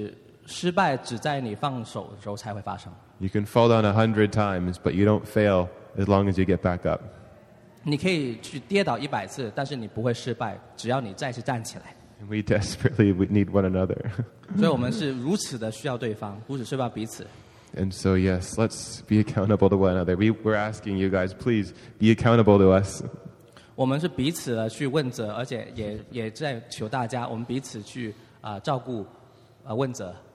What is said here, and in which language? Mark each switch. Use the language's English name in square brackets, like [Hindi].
[Chinese] 我们分享的其中一点是，失败只在你放手的时候才会发生。 [English] You can fall down 100 times, but you don't fail as long as you get back up. [Chinese] 你可以去跌倒100次，但是你不会失败，只要你再次站起来。 [English] We desperately need one another. [Chinese] 所以我们是如此的需要对方，不只是需要彼此。 [English] And so yes, let's be accountable to one another. We're asking you guys, please be accountable to us. [Chinese] 我们是彼此的去问责，而且也在求大家，我们彼此去照顾问责。